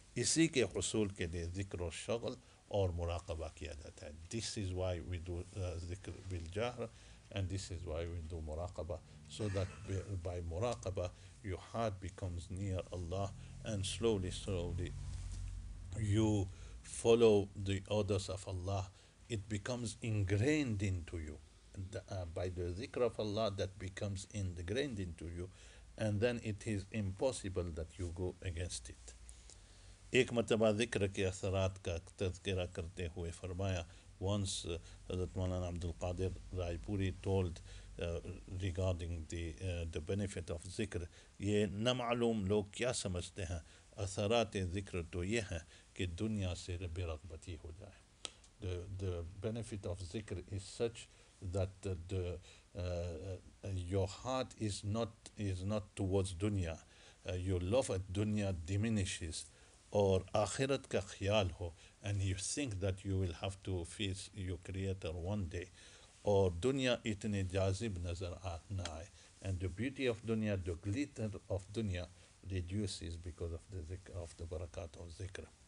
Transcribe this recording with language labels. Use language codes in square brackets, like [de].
[ur] اسی کے حصول کے لئے ذکر و شغل اور مراقبہ کیا جاتا ہے. [en] This is why we do ذکر بالجہر, and this is why we do مراقبہ, so that by مراقبہ your heart becomes near Allah, and slowly you follow the orders of Allah. It becomes ingrained into you, and by the ذکر of Allah that becomes ingrained into you, and then it is impossible that you go against it. [ur] ایک مرتبہ ذکر کے اثرات کا تذکرہ کرتے ہوئے فرمایا, [en] once Hazrat Maulana Abdul Qadir Raipuri told regarding the benefit of ذکر, [ur] یہ نامعلوم لوگ کیا سمجھتے ہیں, اثرات ذکر تو یہ ہیں کہ دنیا سے بے رغبتی ہو جائے. [en] The benefit of ذکر is such that your heart is not towards dunya, your love at dunya diminishes, or [ur] akhirat ka khayal ho, [en] and you think that you will have to face your creator one day, or [ur] dunya itne jazib nazar aana hai, [en] and the beauty of dunya, the glitter of dunya reduces because of the zikr, of the barakat of zikr.